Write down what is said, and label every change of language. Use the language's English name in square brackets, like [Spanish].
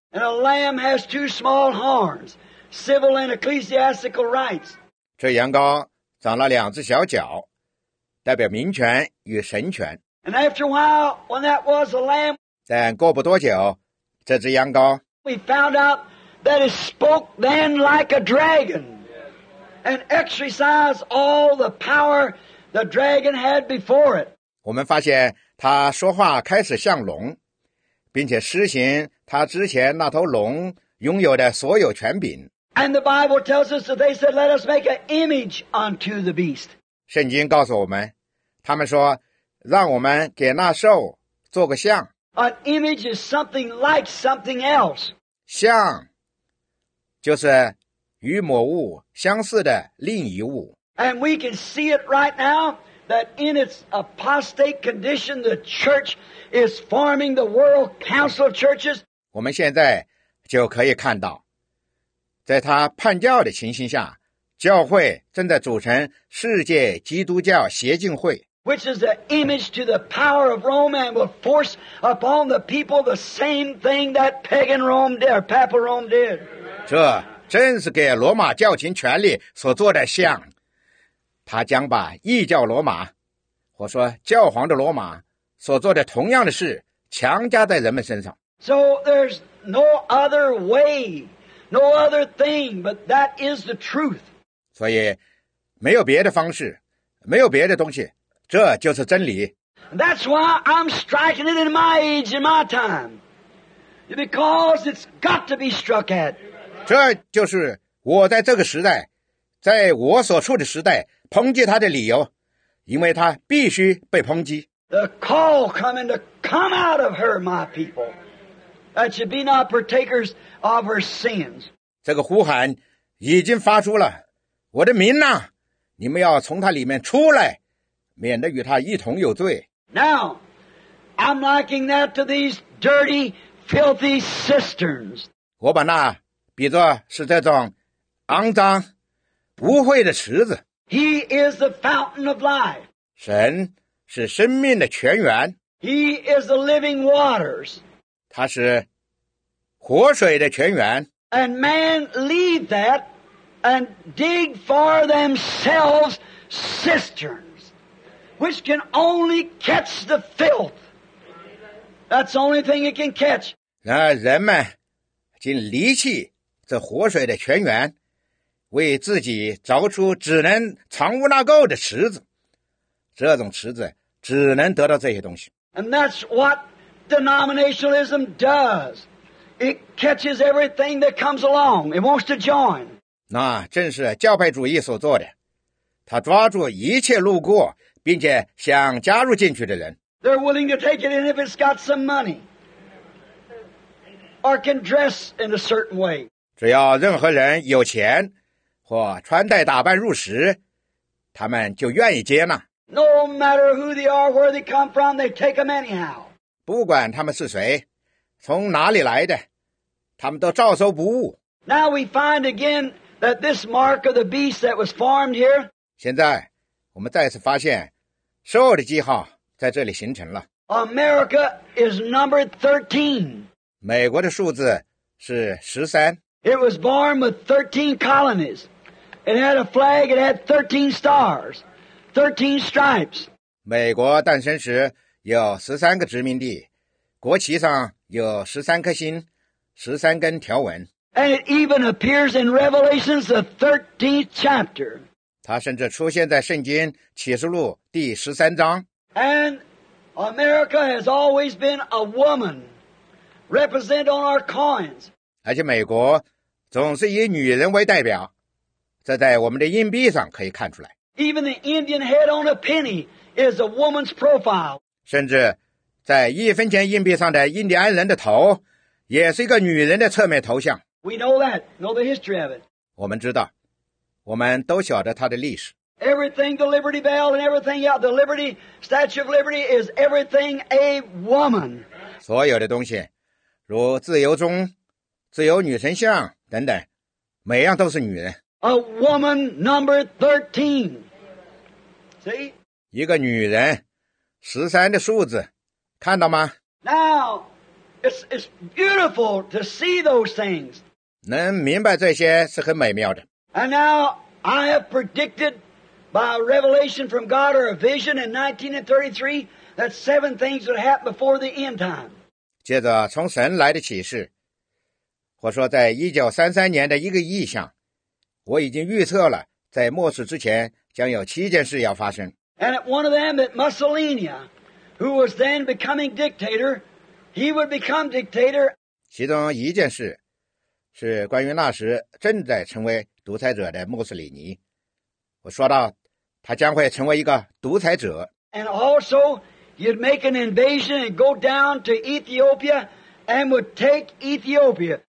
[English] And a lamb has two small horns. Civil and ecclesiastical rights. [Chinese] 这羊羔长了两只小脚，代表民权与神权。 [English] And after a while, when that was a lamb, [Chinese] 但过不多久，这只羊羔 [English] we found out that it spoke then like a dragon and exercised all the power the dragon had before it. [Chinese] 我们发现它说话开始像龙，并且施行它之前那头龙拥有的所有权柄。 [English] And the Bible tells us that they said, let us make an image unto the beast. [Chinese] 圣经告诉我们，他们说，让我们给那兽做个像。 [English] An image is something like something else. [Chinese] 像，就是与某物相似的另一物。 [English] And we can see it right now that in its apostate condition, the church is forming the world council of churches. [Chinese] 我们现在就可以看到。在他叛教的情形下，教会正在组成世界基督教协进会。 [English] Which is the image to the power of Rome and will force upon the people the same thing that pagan Rome did, papal Rome did. [Chinese] 这正是给罗马教廷权力所做的像。他将把异教罗马，或说教皇的罗马所做的同样的事强加在人们身上。 [English] So there's no other way. No other thing, but that is the truth. [Chinese] 所以，没有别的方式，没有别的东西，这就是真理。 [English] That's why I'm striking it in my age, in my time. Because it's got to be struck at. [Chinese] 这就是我在这个时代，在我所处的时代，抨击他的理由，因为他必须被抨击。 [English] The call coming to come out of her, my people. That you be not partakers of her sins. [Chinese] 这个呼喊已经发出了，我的民呐，你们要从他里面出来，免得与他一同有罪。 [English] Now, I'm liking that to these dirty, filthy cisterns. [Chinese] 我把那比作是这种肮脏、污秽的池子。 [English] He is the fountain of life. [Chinese] 神是生命的泉源。 [English] He is the living waters. [Chinese] 他是活水的泉源。 [English] And man leave that and dig for themselves cisterns, which can only catch the filth. That's the only thing it can catch. [Chinese] 那人们竟离弃这活水的泉源，为自己凿出只能藏污纳垢的池子，这种池子只能得到这些东西。 [English] And that's what denominationalism does. It catches everything that comes along. It wants to join. [Chinese] 那正是教派主义所做的，他抓住一切路过并且想加入进去的人。 [English] They're willing to take it in if it's got some money or can dress in a certain way. [Chinese] 只要任何人有钱或穿戴打扮入时，他们就愿意接纳。 [English] No matter who they are, where they come from, they take them anyhow. [Chinese] 不管他们是谁，从哪里来的，他们都照收不误。 [English] Now we find again that this mark of the beast that was formed here. [Chinese] 现在我们再次发现兽的记号在这里形成了。 [English] America is number 13. [Chinese] 美国的数字是13。 [English] It was born with 13 colonies. It had a flag, it had 13 stars. 13 stripes. [Chinese] 美国诞生时有13个殖民地，国旗上有13颗星，13根条纹。 [English] And it even appears in Revelations, the 13th chapter. [Chinese] 它甚至出现在圣经启示录第13章。 [English] And America has always been a woman represented on our coins. [Chinese] 而且美国总是以女人为代表，这在我们的硬币上可以看出来。 [English] Even the Indian head on a penny is a woman's profile. [Chinese] 甚至在一分钱硬币上的印第安人的头也是一个女人的侧面头像。 [English] We know that. Know the history of it. [Chinese] 我们知道，我们都晓得它的历史。 [English] Everything, the Liberty Bell and everything else, the Liberty, Statue of Liberty is everything a woman. [Chinese] 所有的东西，如自由钟、自由女神像等等，每样都是女人。 [English] A woman number 13. See? [Chinese] 一个女人，十三的数字，看到吗？ [English] Now, it's beautiful to see those things. [Chinese] 能明白这些是很美妙的。 [English] And now, I have predicted by a revelation from God or a vision in 1933 that seven things would happen before the end time. [Chinese] 接着从神来的启示，或说在1933年的一个异象，我已经预测了在末世之前将有七件事要发生。 [English] And one of them, that Mussolini, who was then becoming dictator, he would become dictator. [Chinese] 其中一件事是关于那时正在成为独裁者的穆斯里尼。我说到他将会成为一个独裁者。 [English] And also, you'd make an invasion and go down to Ethiopia and would take Ethiopia.